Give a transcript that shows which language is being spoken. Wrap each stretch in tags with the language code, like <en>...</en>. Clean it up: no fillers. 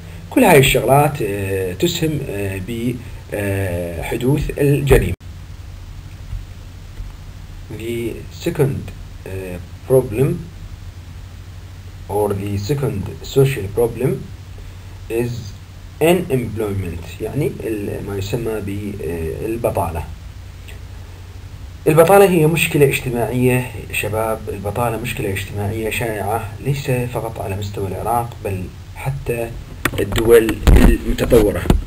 <ar>كل هاي الشغلات تسهم بحدوث الجريمة.</ar> <en>The second problem or the second social problem is unemployment،</en> <ar>يعني ما يسمى بالبطالة. البطالة هي مشكلة اجتماعية شباب، البطالة مشكلة اجتماعية شائعة ليس فقط على مستوى العراق بل حتى الدول المتطورة.</ar>